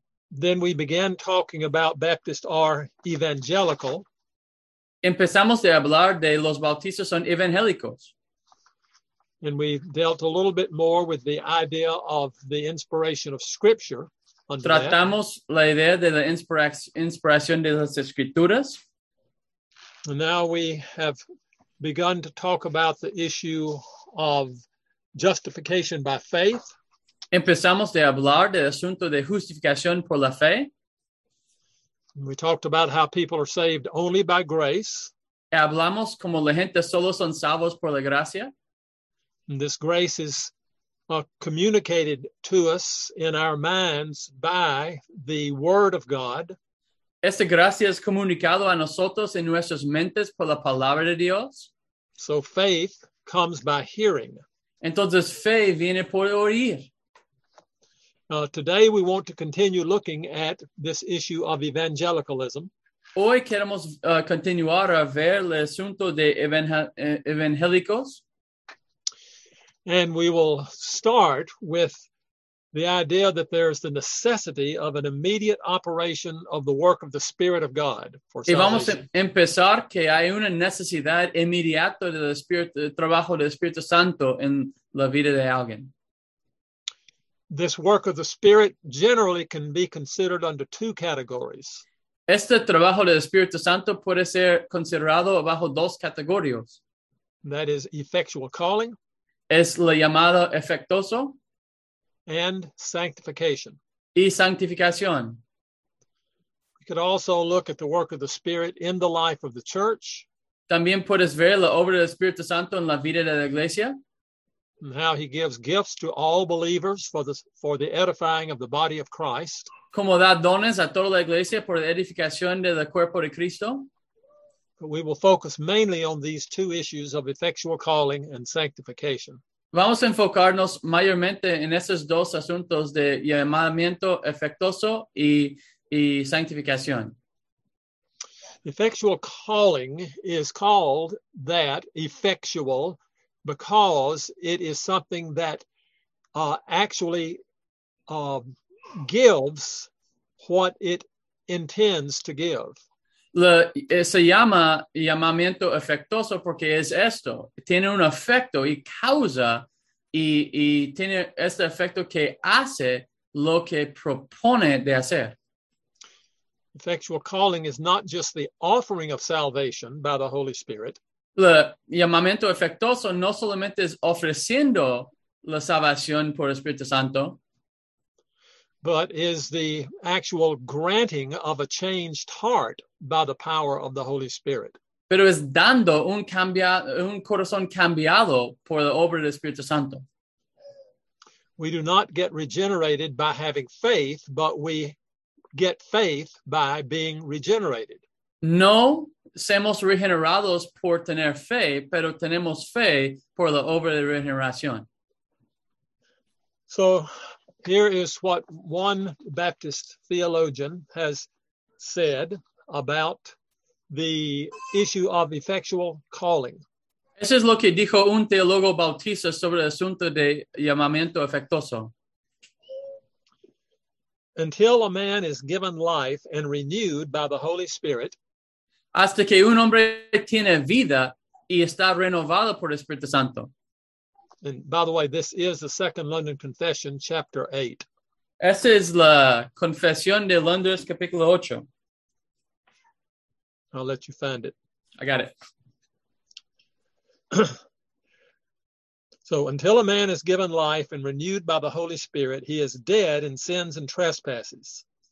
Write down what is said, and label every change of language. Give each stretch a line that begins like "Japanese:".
English: Then we began talking about Baptists are evangelical.
Spanish: Empezamos de hablar de los bautistas son evangélicos.
English: And we dealt a little bit more with the idea of the inspiration of Scripture.
Spanish: Tratamos
English: that.
Spanish: La idea de la inspiración de las Escrituras.
English: And now we have begun to talk about the issue of justification by faith.
Spanish: Empezamos de hablar del asunto de justificación por la fe.
English: We talked about how people are saved only by grace.
Spanish: Hablamos como la gente solo son salvos por la gracia.
English: And this grace is communicated to us in our minds by the Word of God.
Spanish: Esta gracia es comunicado a nosotros en nuestras mentes por la palabra de Dios.
English: So faith comes by hearing.
Spanish: Entonces fe viene por oír.
English: Today we want to continue looking at this issue of evangelicalism.
Spanish: Hoy queremos continuar a ver el asunto de evangélicos.
English: And we will start with the idea that there is the necessity of an immediate operation of the work of the Spirit of God for salvation.
Spanish: Y vamos a empezar que hay una necesidad inmediata del trabajo del Espíritu Santo en la vida de alguien.
English: This work of the Spirit generally can be considered under two categories.
Spanish: Este trabajo del Espíritu Santo puede ser considerado bajo dos categorías.
English: That is effectual calling.
Spanish: Es la llamada efectuoso.
English: And sanctification.
Spanish: Y sanctificación.
English: We could also look at the work of the Spirit in the life of the church.
Spanish: También puedes ver la obra del Espíritu Santo en la vida de la iglesia.
English: And how he gives gifts to all believers for the edifying of the body of Christ.
Spanish: Como da dones a toda la iglesia por la edificación del cuerpo de Cristo.
English: But we will focus mainly on these two issues of effectual calling and sanctification.
Spanish: Vamos a enfocarnos mayormente en esos dos asuntos de llamamiento efectuoso y sanctificación.
English: Effectual calling is called that effectual because it is something that actually gives what it intends to give.
Spanish: Se llama llamamiento efectuoso porque es esto. Tiene un efecto y causa y tiene este efecto que hace lo que propone de hacer.
English: Effectual calling is not just the offering of salvation by the Holy Spirit.
Spanish: El llamamiento efectuoso no solamente es ofreciendo la salvación por el Espíritu Santo,
English: but is the actual granting of a changed heart by the power of the Holy Spirit.
Spanish: Pero es dando un corazón cambiado por la obra del Espíritu Santo.
English: We do not get regenerated by having faith, but we get faith by being regenerated.
Spanish: No somos regenerados por tener fe, pero tenemos fe por la obra de regeneración.
English: So here is what one Baptist theologian has said about the issue of effectual calling.
Spanish: Eso es lo que dijo un teólogo bautista sobre el asunto de llamamiento efectuoso.
English: Until a man is given life and renewed by the Holy Spirit,
Spanish: hasta que un hombre tiene vida y está renovado por el Espíritu Santo.
English: And by the way, this is the Second London Confession, chapter 8.
Spanish: Esa es la Confesión de Londres, capítulo 8.
English: I'll let you find it. I got it. So until a man is given life and renewed by the Holy Spirit, he is dead in sins and trespasses.